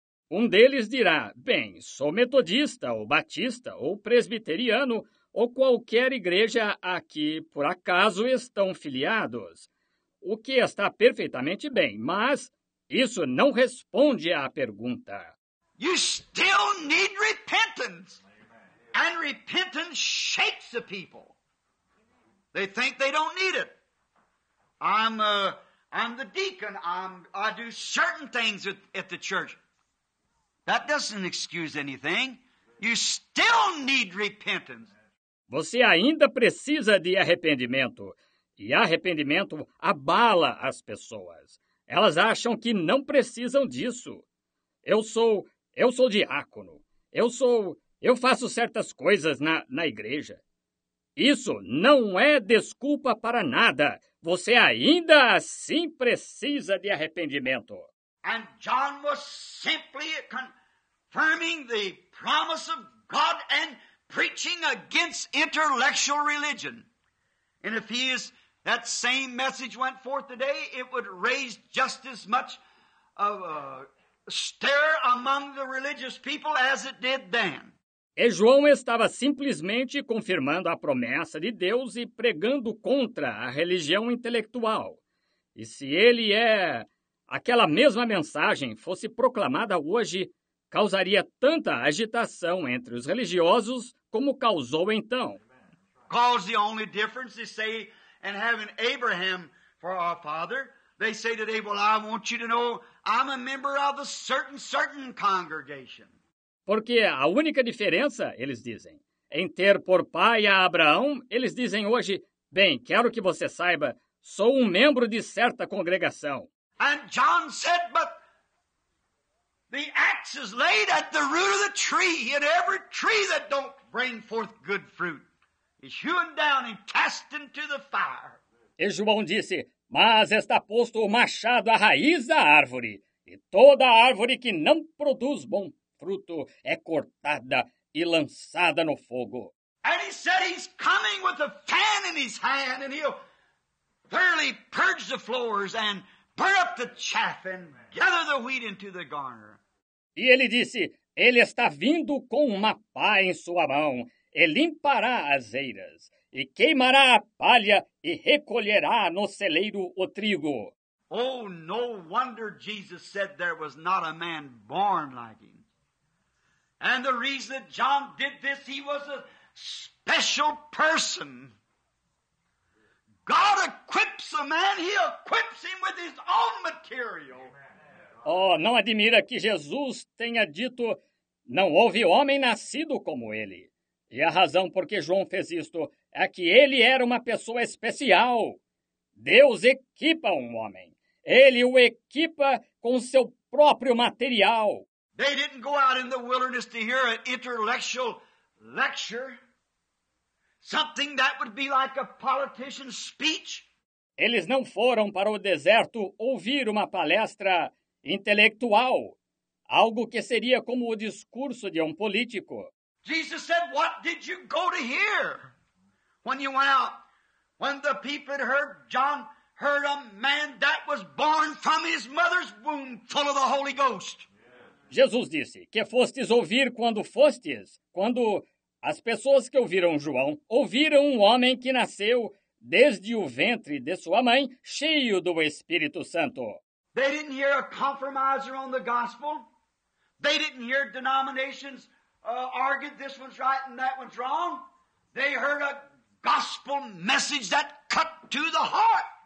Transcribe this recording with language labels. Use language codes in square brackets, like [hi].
[pt] Um deles dirá, bem, sou metodista, ou batista, ou presbiteriano, ou qualquer igreja a que, por acaso, estão filiados. O que está perfeitamente bem, mas isso não responde à pergunta. [en] You still need repentance. And repentance shakes the people. They think they don't need it. I'm the deacon. I do certain things at the church. That doesn't excuse anything. You still need repentance. [pt] Você ainda precisa de arrependimento. E arrependimento abala as pessoas. Elas acham que não precisam disso. Eu sou diácono. Eu faço certas coisas na igreja. Isso não é desculpa para nada. Você ainda assim precisa de arrependimento. [en] And John was simply confirming the promise of God and preaching against intellectual religion. And if that same message went forth today, it would raise just as much of a stir among the religious people as it did then. [pt] E João estava simplesmente confirmando a promessa de Deus e pregando contra a religião intelectual. E se ele é aquela mesma mensagem fosse proclamada hoje, causaria tanta agitação entre os religiosos como causou então. [en] Cause the only difference, they say, and having Abraham for our father, they say today, well, I want you to know I'm a member of a certain congregation. [pt] Porque a única diferença, eles dizem, em ter por pai a Abraão, eles dizem hoje, bem, quero que você saiba, sou um membro de certa congregação. [en] And John said, but the axe is laid at the root of the tree, and every tree that don't bring forth good fruit is hewn down and cast into the fire. [pt] E João disse, mas está posto o machado à raiz da árvore, e toda árvore que não produz bom fruto é cortada e lançada no fogo. [en] And he said he's coming with a fan in his hand, and he'll thoroughly purge the floors and burn up the chaff and gather the wheat into the garner. [pt] E ele disse, ele está vindo com uma pá em sua mão, e limpará as eiras, e queimará a palha, e recolherá no celeiro o trigo. [en] Oh, no wonder Jesus said there was not a man born like him. And the reason that John did this, he was a special person. God equips a man, he equips him with his own material. [pt] Oh, não admira que Jesus tenha dito, não houve homem nascido como ele. E a razão por que João fez isto é que ele era uma pessoa especial. Deus equipa um homem. Ele o equipa com seu próprio material. [en] They didn't go out in the wilderness to hear an intellectual lecture. Something that would be like a politician's speech. [pt] Eles não foram para o deserto ouvir uma palestra intelectual. Algo que seria como o discurso de um político. [en] Jesus said, what did you go to hear when you went out When the people had heard John, heard a man that was born from his mother's womb full of the Holy Ghost. [pt] Jesus disse, que fostes ouvir quando fostes, quando as pessoas que ouviram João, ouviram um homem que nasceu desde o ventre de sua mãe, cheio do Espírito Santo. [en] They didn't hear a compromiser on the gospel. They didn't hear denominations argue this one's right and that one's wrong. They heard a gospel message that cut to the heart.